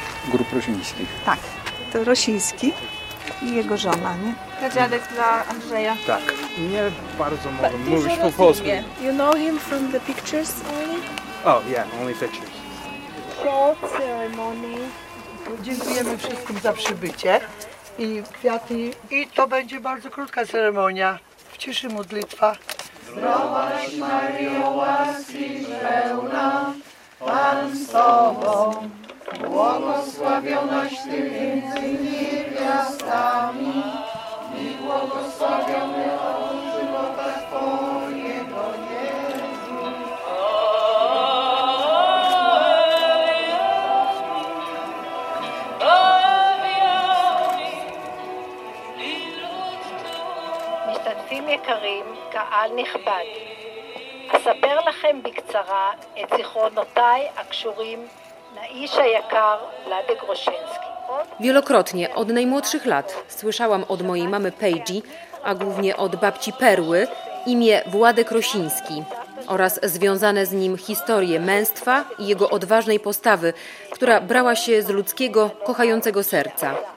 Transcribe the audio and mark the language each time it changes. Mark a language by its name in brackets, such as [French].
[Polish] Grób Rosiński. Tak, to Rosiński i jego żona, nie? To dziadek dla Andrzeja. Tak, nie bardzo mogę mówić po polsku. [English] You know him from the pictures only? Oh yeah, only pictures. [Polish] Dziękujemy wszystkim za przybycie i kwiaty. I to będzie bardzo krótka ceremonia. W ciszy modlitwa. Zdrowaś Maryjo, łaski pełna, Pan z Tobą. Błogosławionaś Ty między niewiastami i błogosławiony [Hebrew] יקרים, קהל נכבד, אספר לכם בקצרה את זיכרונותיי הקשורים לאיש היקר ולדי גרושינסקי. [Polish] Wielokrotnie, od najmłodszych lat, słyszałam od mojej mamy Pejdzi, a głównie od babci Perły, imię Władek Rosiński oraz związane z nim historie męstwa i jego odważnej postawy, która brała się z ludzkiego, kochającego serca.